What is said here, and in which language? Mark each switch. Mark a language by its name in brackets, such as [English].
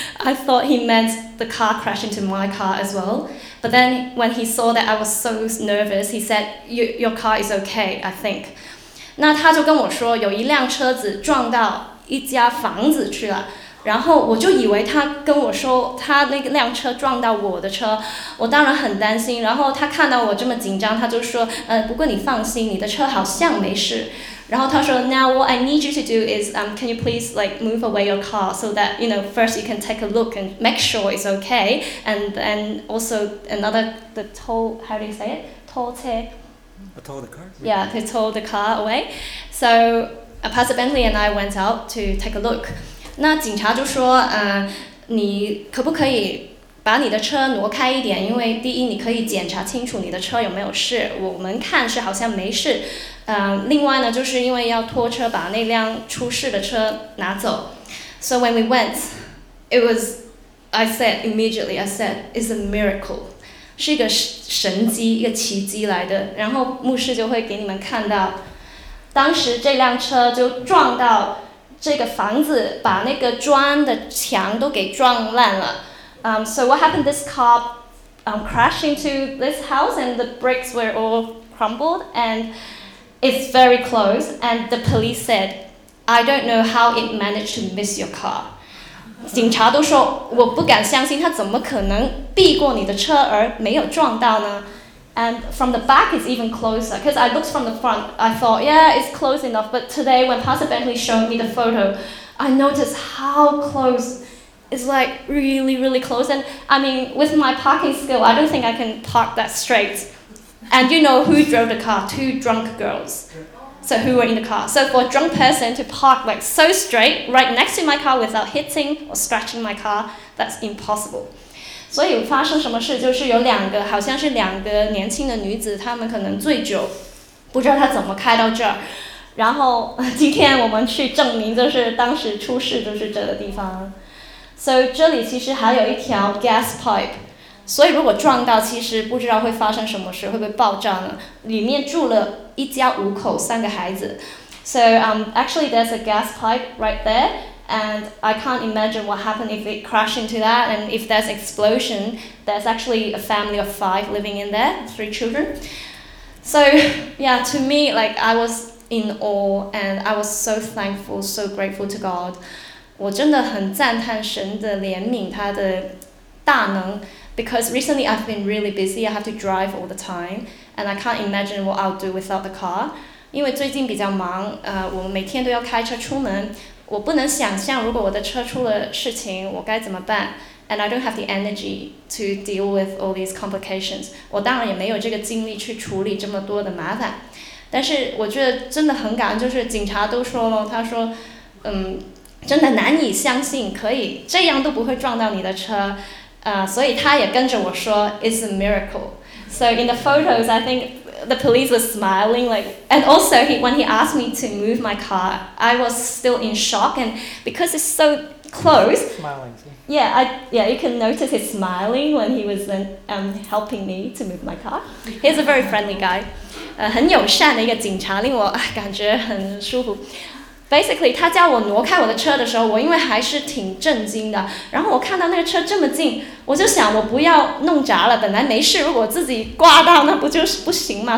[English] I thought he meant the car crashed into my car as well. But then when he saw that I was so nervous, he said, your car is okay, I think. [Chinese] 那他就跟我说有一辆车子撞到一家房子去了，然后我就以为他跟我说他那辆车撞到我的车，我当然很担心，然后他看到我这么紧张，他就说不过你放心，你的车好像没事。然后他说 [English] Now what I need you to do is can you please like move away your car so that you know first you can take a look and make sure it's okay and then also another the tow how do you say it tow 车 tow the car yeah to tow the car away so Pastor Bentley and I went out to take a look [Chinese] 那警察就说你可不可以把你的车挪开一点，因为第一你可以检查清楚你的车有没有事，我们看是好像没事。另外呢，就是因为要拖车把那辆出事的车拿走。 [English] So when we went, it was, I said immediately, I said, it's a miracle, [Chinese] 是一个神迹，一个奇迹来的。然后牧师就会给你们看到，当时这辆车就撞到这个房子，把那个砖的墙都给撞烂了。 [English] So what happened? This car, crashed into this house, and the bricks were all crumbled and. It's very close, and the police said, I don't know how it managed to miss your car. [Chinese] 警察都说，我不敢相信他怎么可能避过你的车而没有撞到呢？ [English] And from the back, it's even closer, because I looked from the front, I thought, yeah, it's close enough, but today when Pastor Bentley showed me the photo, I noticed how close, it's like really, really close, and I mean, with my parking skill, I don't think I can park that straight. And you know who drove the car? Two drunk girls. So who were in the car? So for a drunk person to park like so straight, right next to my car without hitting or scratching my car, that's impossible. [Chinese] 所以发生什么事就是有两个，好像是两个年轻的女子，她们可能醉酒，不知道她怎么开到这儿。然后今天我们去证明就是当时出事就是这个地方。 So 这里其实还有一条 gas pipe. 所以如果撞到其实不知道会发生什么事，会不会爆炸呢？里面住了一家五口，三个孩子。 [English] So actually there's a gas pipe right there, and I can't imagine what happened if it crashed into that, and if there's explosion, there's actually a family of five living in there, three children. So yeah, to me, like I was in awe, and I was so thankful, so grateful to God. [Chinese] 我真的很赞叹神的怜悯，他的大能。 [English] Because recently I've been really busy, I have to drive all the time, and I can't imagine what I'll do without the car. [Chinese] 因为最近比较忙，我每天都要开车出门，我不能想象如果我的车出了事情，我该怎么办。 [English] And I don't have the energy to deal with all these complications. [Chinese] 我当然也没有这个精力去处理这么多的麻烦。但是我觉得真的很感恩，就是警察都说了，他说，真的难以相信，可以这样都不会撞到你的车。所以他也跟着我说 [English] it's a miracle. So in the photos, I think the police was smiling. Like, and also, when he asked me to move my car, I was still in shock. And because it's so close, smiling. Yeah, you can notice he's smiling when he was helping me to move my car. He's a very friendly guy. [Chinese] 很友善的一个警察，令我感觉很舒服。 Basically, 他叫我挪开我的车的时候，我因为还是挺震惊的。然后我看到那个车这么近，我就想我不要弄砸了。本来没事，如果自己刮到，那不就是不行吗？